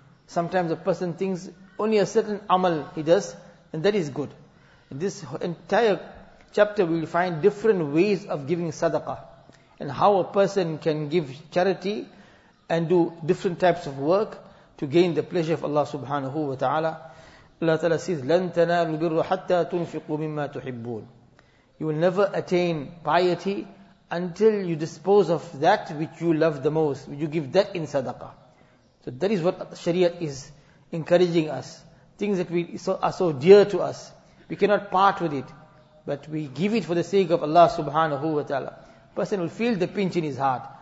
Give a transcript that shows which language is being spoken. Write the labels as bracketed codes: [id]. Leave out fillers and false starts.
[en] Sometimes a person thinks only a certain amal he does and that is good. In this entire chapter we will find different ways of giving sadaqah and how a person can give charity and do different types of work to gain the pleasure of Allah subhanahu wa ta'ala. Allah Ta'ala says, [ar] لَن تَنَالُ الْبِرَّ حَتَّى تُنْفِقُوا مِمَّا تُحِبُّونَ. [en] You will never attain piety until you dispose of that which you love the most. You give that in sadaqah. So that is what Sharia is encouraging us. Things that are so dear to us. We cannot part with it. But we give it for the sake of Allah subhanahu wa ta'ala. Person will feel the pinch in his heart.